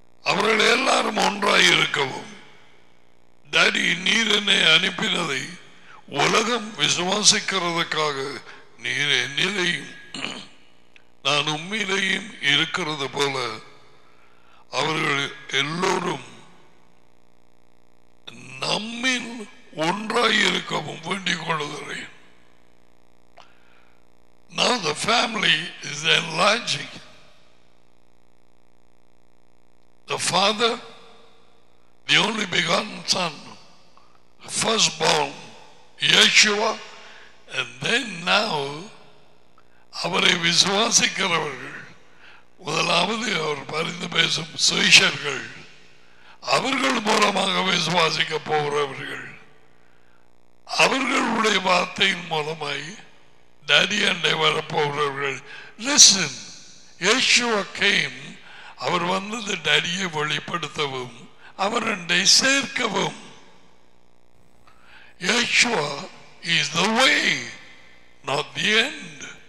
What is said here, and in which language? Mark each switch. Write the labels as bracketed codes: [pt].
[ta] அவர்கள் எல்லாரும் ஒன்றாயிருக்கவும், டாடி நீர் என்னை அனுப்பினதை உலகம் விசுவாசிக்கிறதுக்காக நீர் என்னிலேயும் நான் உண்மையிலேயும் இருக்கிறது போல அவர்கள் எல்லோரும் நம்மில் ஒன்றாயிருக்கவும் வேண்டிக் கொள்கிறேன். [en] Now the family is enlarging. The father, the only begotten son, firstborn, Yeshua, and then now, [ta] அவரை விசுவாசிக்கிறவர்கள், முதலாவது அவர் பரிந்து பேசும் சுவிசேஷர்கள், அவர்கள் மூலமாக விசுவாசிக்க போகிறவர்கள், அவர்களுடைய வார்த்தையின் மூலமாய் டாடி அண்டை வரப்போகிறவர்கள். [en] Listen, Yeshua came. [ta] அவர் வந்தது டாடியை வெளிப்படுத்தவும் அவர் அண்டை சேர்க்கவும். [en] Yeshua is the way, not the end.